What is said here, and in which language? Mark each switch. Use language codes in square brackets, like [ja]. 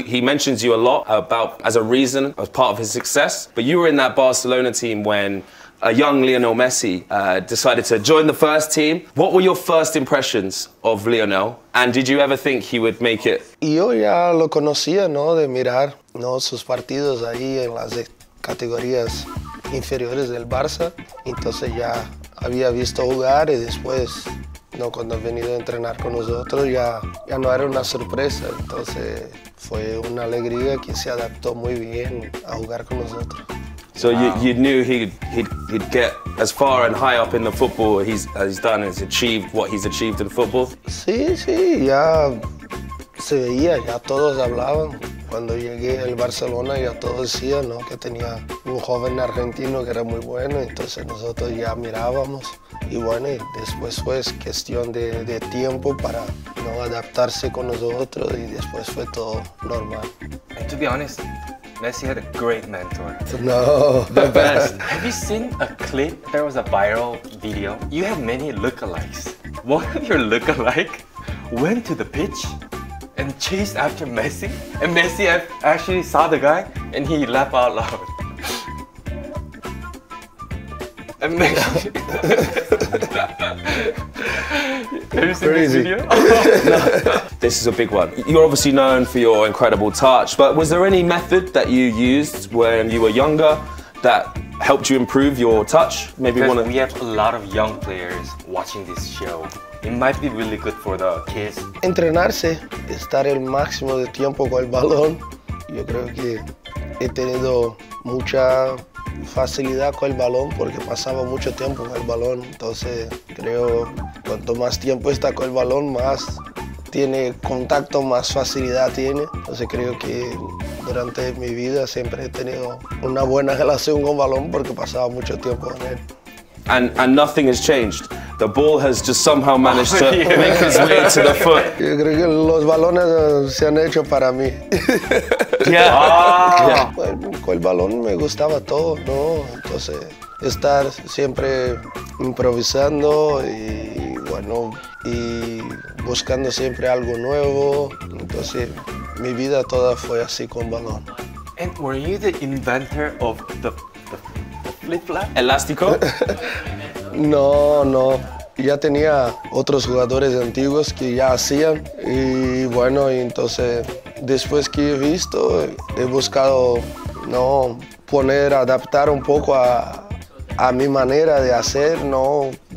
[en] He mentions you a lot about as a reason, as part of his success. But you were in that Barcelona team when a young Lionel Messi decided to join the first team. What were your first impressions of Lionel? And did you ever think he would make it? [es] Yo ya lo conocía, ¿no? De mirar, ¿no? Sus partidos ahí en las categorías inferiores del Barça. Entonces ya había visto jugar y después, ¿no? Cuando ha venido a entrenar con nosotros, ya no era una sorpresa. Entonces fue una alegría que se adaptó muy bien a jugar con nosotros. [en] So wow. you knew he'd get as far and high up in the football he's done, he's achieved what he's achieved in football? [es] Sí, sí, ya se veía, ya todos hablaban. Cuando llegué al Barcelona ya todos decían, ¿no? Que tenía un joven argentino que era muy bueno, entonces nosotros ya mirábamos. Y bueno, y después fue cuestión de tiempo para no adaptarse con nosotros y después fue todo normal. [en] And to be honest, Messi had a great mentor. No. The best. Have you seen a clip? There was a viral video. You have many lookalikes. One of your lookalike went to the pitch and chased after Messi. And Messi actually saw the guy and he laughed out loud. And Messi... Have you seen crazy. This video? This is a big one. You're obviously known for your incredible touch, but was there any method that you used when you were younger that helped you improve your touch? Maybe one of... We have a lot of young players watching this show. It might be really good for the kids. [es] Entrenarse, estar el máximo de tiempo con el balón. Yo creo que he tenido mucha facilidad con el balón porque pasaba mucho tiempo con el balón. Entonces, creo cuanto más tiempo está con el balón, más tiene contacto, más facilidad tiene. Entonces creo que durante mi vida siempre he tenido una buena relación con balón porque pasaba mucho tiempo con él. [en] And nothing has changed. The ball has just somehow managed to make his way to the foot. [es] Yo creo que los balones se han hecho para mí. [en] Yeah. Yeah. [es] Con el balón me gustaba todo, ¿no? Entonces estar siempre improvisando y bueno, y buscando siempre algo nuevo. Entonces, mi vida toda fue así con balón. [en] And were you the inventor of the flip-flap? [es] Elástico? No. ya tenía otros jugadores antiguos que ya hacían y bueno, y entonces después que he visto, he buscado no poner, adaptar un poco a mi manera de hacer, ¿no?